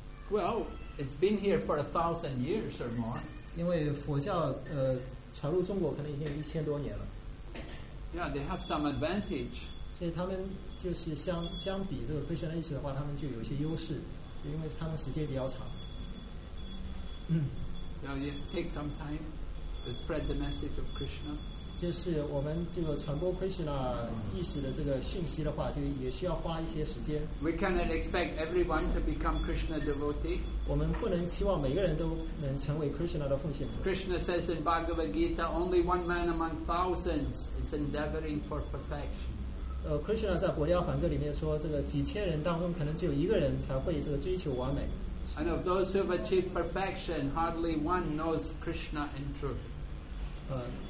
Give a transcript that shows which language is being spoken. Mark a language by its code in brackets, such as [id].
[en] Well, it's been here for 1,000 years or more. [zh] 因为佛教传入中国可能已经有1000多年了。 [en] Yeah, they have some advantage. [zh] 所以他们就是相比这个 Krishna 意识的话，他们就有些优势，因为他们时间比较长。 [en] Yeah, it takes some time to spread the message of Krishna. [zh] 就是我们这个传播 Krishna 意识的这个讯息的话，就也需要花一些时间。 [en] We cannot expect everyone to become Krishna devotee. [zh] 我们不能期望每个人都能成为 Krishna 的奉献者。 [en] Krishna says in Bhagavad Gita, only one man among thousands is endeavoring for perfection. [zh] Krishna 在《博迦梵歌》里面说，这个几千人当中，可能只有一个人才会这个追求完美。 [en] And of those who have achieved perfection, hardly one knows Krishna in truth.